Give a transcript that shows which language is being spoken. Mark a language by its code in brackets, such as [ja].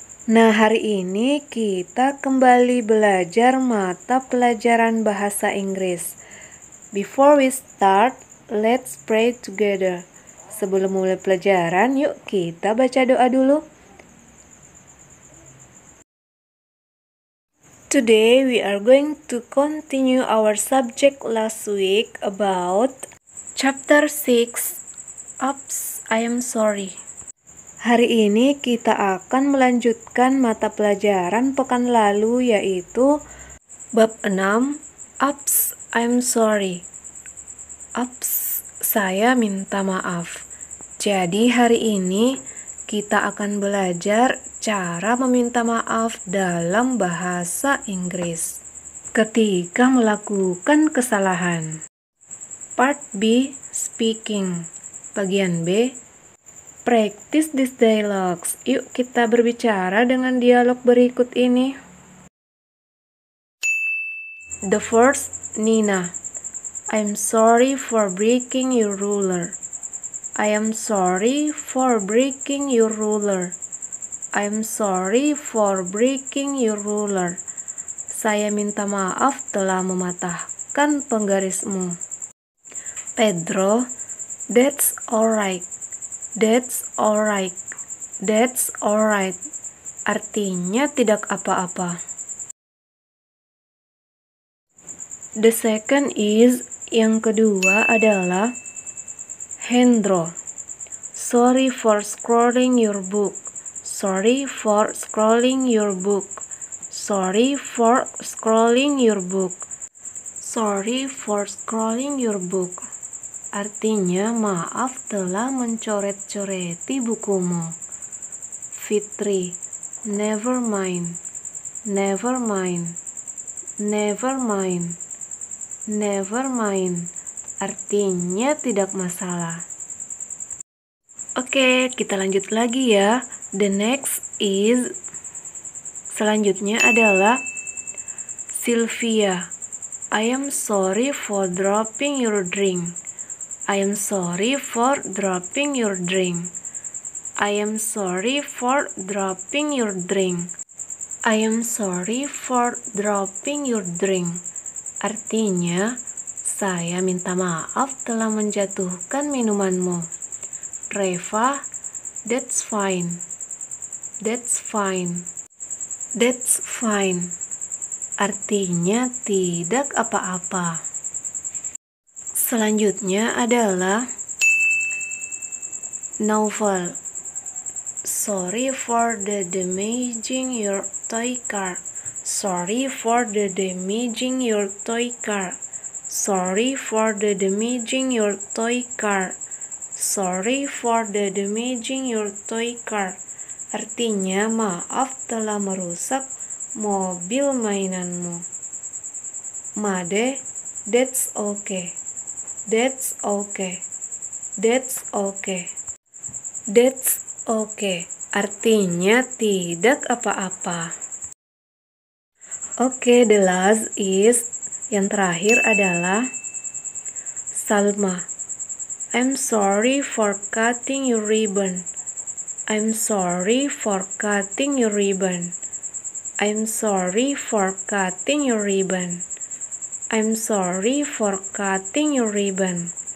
[id] Nah, hari ini kita kembali belajar mata pelajaran bahasa Inggris. [en] Before we start, let's pray together. [id] Sebelum mulai pelajaran, yuk kita baca doa dulu. [en] Today we are going to continue our subject last week about chapter 6. Oops, I am sorry. [id] Hari ini kita akan melanjutkan mata pelajaran pekan lalu, yaitu bab 6. [en] Oops, I am sorry. [id] Ups, saya minta maaf. Jadi hari ini kita akan belajar cara meminta maaf dalam bahasa Inggris ketika melakukan kesalahan. [en] Part B, speaking. [id] Bagian B, [en] practice these dialogues. [id] Yuk kita berbicara dengan dialog berikut ini. [en] The first, Nina. I'm sorry for breaking your ruler. I am sorry for breaking your ruler. I'm sorry for breaking your ruler. [id] Saya minta maaf telah mematahkan penggarismu. [en] Pedro, that's all right. That's all right. That's all right. [id] Artinya tidak apa-apa. [en] The second is, [id] yang kedua adalah [en] Hendro. Sorry for scrolling your book. Sorry for scrolling your book. Sorry for scrolling your book. Sorry for scrolling your book. [id] Artinya maaf telah mencoret-coreti bukumu. Fitri. [en] Never mind. Never mind. Never mind. Never mind, [id] artinya tidak masalah. Oke, kita lanjut lagi ya. [en] The next is, [id] selanjutnya adalah Sylvia. [en] I am sorry for dropping your drink. I am sorry for dropping your drink. I am sorry for dropping your drink. I am sorry for dropping your drink. [id] Artinya, saya minta maaf telah menjatuhkan minumanmu. [en] Reva, that's fine. That's fine. That's fine. [id] Artinya, tidak apa-apa. Selanjutnya adalah Novel. [en] Sorry for the damaging your toy car. Sorry for the damaging your toy car. Sorry for the damaging your toy car. Sorry for the damaging your toy car. [id] Artinya maaf telah merusak mobil mainanmu. [en] Made, that's okay. That's okay. That's okay. That's okay. [id] Artinya tidak apa-apa. Oke, okay, [en] the last is, [id] yang terakhir adalah Salma. [en] I'm sorry for cutting your ribbon. I'm sorry for cutting your ribbon. I'm sorry for cutting your ribbon. I'm sorry for cutting your ribbon.